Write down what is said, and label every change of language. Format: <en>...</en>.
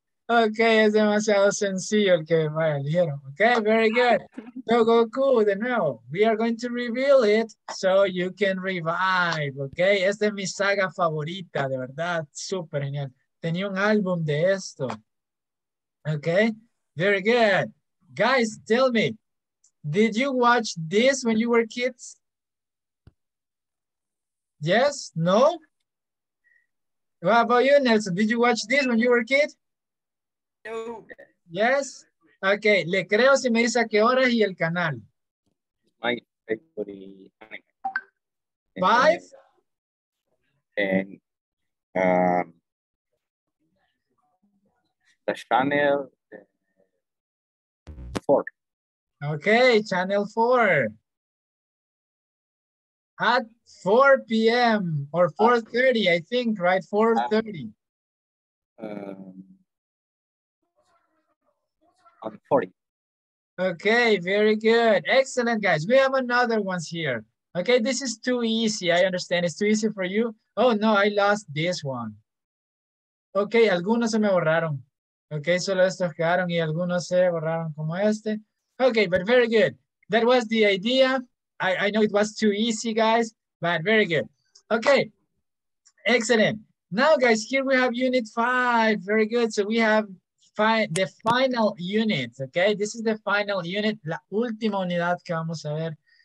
<es>Okay, es demasiado sencillo el que me eligieron.</es> <en>Okay, very good. So Goku,</en> <es>de nuevo.</es> <en>We are going to reveal it so you can revive.</en> <es>Okay, esta es mi saga favorita, de verdad. Súper genial. Tenía un álbum de esto.</es> <en>Okay, very good. Guys, tell me, did you watch this when you were kids? Yes? No? What about you, Nelson? Did you watch this when you were a kid? No. Yes. Okay.</en> <es>Le creo si me dice a qué horas y el canal.</es> <en>My favorite. And five. And the channel four. Okay, channel four. At 4 p.m. or 4:30, I think. Right, 4:30. On 40. Okay, very good. Excellent, guys. We have another one here. Okay, this is too easy. I understand. It's too easy for you. Oh, no, I lost this one.</en> <es>Okay, algunos se me borraron. Okay, solo estos quedaron y algunos se borraron como este.</es> <en>Okay, but very good. That was the idea. I know it was too easy, guys, but very good. Okay, excellent. Now, guys, here we have unit 5. Very good. So we have the final unit, okay? This is the final unit,</en> <es>la última unidad que vamos a ver.</es>